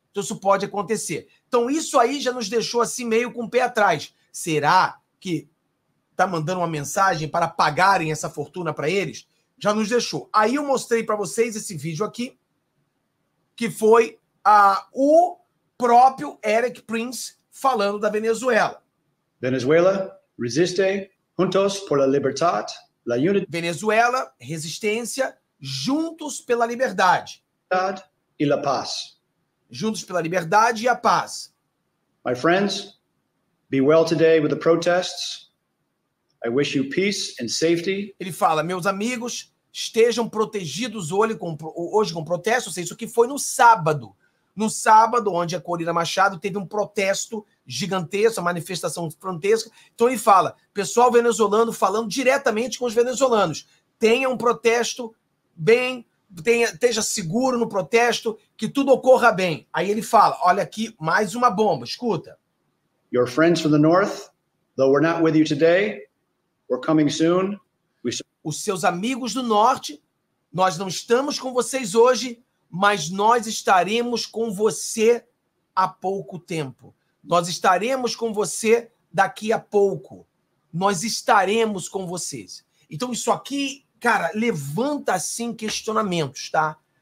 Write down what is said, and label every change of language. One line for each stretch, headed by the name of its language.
Portuguese: Então isso pode acontecer. Então isso aí já nos deixou assim meio com o pé atrás. Será que está mandando uma mensagem para pagarem essa fortuna para eles, já nos deixou. Aí eu mostrei para vocês esse vídeo aqui, que foi o próprio Eric Prince falando da Venezuela.
Spanish: Venezuela, resiste, juntos por la libertad, la unidad.
Portuguese: Venezuela, resistência, juntos pela liberdade. E la paz. Juntos pela liberdade e a paz.
English: My friends, be well today with the protests. I wish you peace and safety.
Portuguese: Ele fala, meus amigos, estejam protegidos hoje com protesto. Ou seja, isso que foi no sábado. No sábado, onde a Corina Machado teve um protesto gigantesco, uma manifestação gigantesca. Então ele fala, pessoal venezuelano falando diretamente com os venezuelanos. Tenha um protesto bem, esteja seguro no protesto, que tudo ocorra bem. Aí ele fala, olha aqui, mais uma bomba, escuta.
English: Your friends from the north, though we're not with you today, we're coming soon.
Portuguese: Os seus amigos do norte, nós não estamos com vocês hoje, mas nós estaremos com você há pouco tempo. Nós estaremos com você daqui a pouco. Nós estaremos com vocês. Então isso aqui, cara, levanta assim questionamentos, tá?